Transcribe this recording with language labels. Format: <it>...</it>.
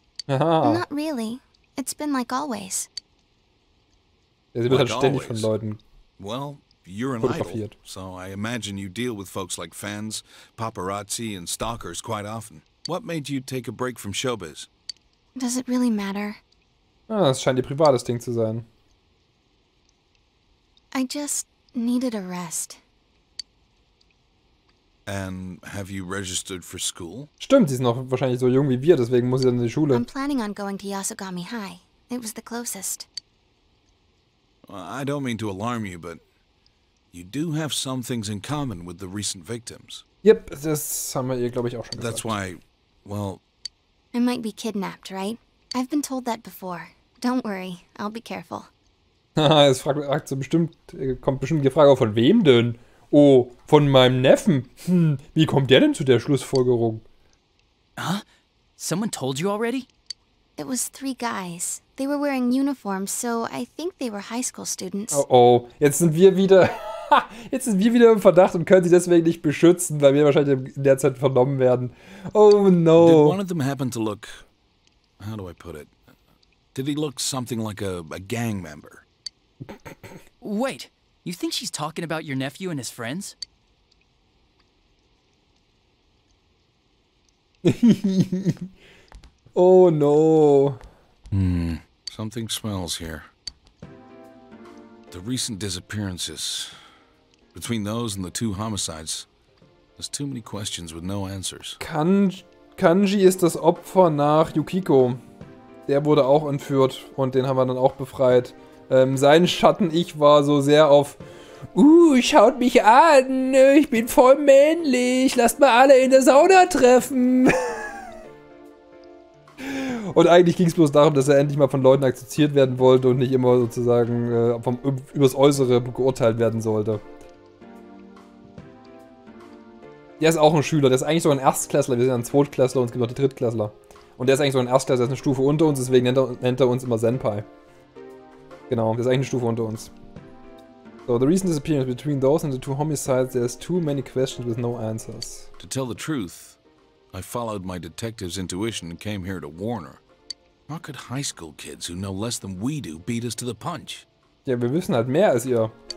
<en>Not really. It's been like always. Like always.</en> <de>Von Leuten.</de> <en>Well, you're an idol, so I imagine you deal with folks like fans, paparazzi, and stalkers quite often. What made you take a break from showbiz? Does it really matter?</en> <de>Ah, das scheint ihr privates Ding zu sein.</de> <en>I just needed a rest. And have you registered for school?</en> <de>Stimmt, sie ist noch wahrscheinlich so jung wie wir, deswegen muss sie dann in die Schule.</de> <en>I'm planning on going to Yasugami High. It was the closest. I don't mean to alarm you, but you do have some things in common with the recent victims.</en> <de>Yep, das haben wir ihr, glaube ich, auch schon gesagt.</de> <en>That's why, well... I might be kidnapped, right? I've been told that before. Don't worry, I'll be careful.</en> <de>Es fragt so bestimmt, kommt bestimmt die Frage auch, von wem denn? Oh, von meinem Neffen. Wie kommt der denn zu der Schlussfolgerung?</de> <en>Huh? Someone told you already? It was 3 guys. They were wearing uniforms, so I think they were high school students.</en> <de>Oh, jetzt sind wir wieder jetzt sind wir wieder im Verdacht und können sie deswegen nicht beschützen, weil wir wahrscheinlich in der Zeit vernommen werden.</de> <en>Oh no. Did one of them happen to look, how do I put it? Did he look something like a gang member? Wait, you think she's talking about your nephew and his friends? Oh no. Something smells here. The recent disappearances. Between those and the 2 homicides, there's too many questions with no answers.</en> <de>Kanji ist das Opfer nach Yukiko. Der wurde auch entführt und den haben wir dann auch befreit. Sein Schatten-Ich war so sehr auf, schaut mich an, ich bin voll männlich, lasst mal alle in der Sauna treffen. Und eigentlich ging es bloß darum, dass er endlich mal von Leuten akzeptiert werden wollte und nicht immer sozusagen übers Äußere geurteilt werden sollte. Der ist auch ein Schüler, der ist eigentlich sogar ein Erstklässler, wir sind ein Zweitklässler und es gibt noch die Drittklässler. Und der ist eigentlich so ein Erstklässler, der ist eine Stufe unter uns, deswegen nennt er uns immer Senpai. Genau, der ist eigentlich eine Stufe unter uns.</de> <en>So, the recent disappearance between those and the 2 homicides, there's too many questions with no answers. To tell the truth, I followed my detective's intuition and came here to warn her. How could high school kids who know less than we do beat us to the punch?</en> <de>Ja, wir wissen halt mehr als ihr.</de>